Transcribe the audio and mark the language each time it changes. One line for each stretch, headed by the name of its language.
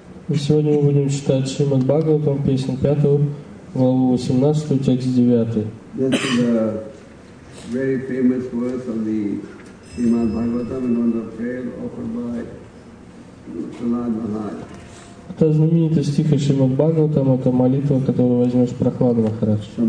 Russian: И сегодня мы будем читать Шримад Бхагаватам, песню 5, главу 18, текст 9.
English: This is a very famous verse of the Srimad Bhagavatam and on the prayer offered by Prahlad Maharaj.
Russian: Это знаменитый стих из Шримад Бхагаватам, это молитва, которую возьмешь Прахлад Махарадж.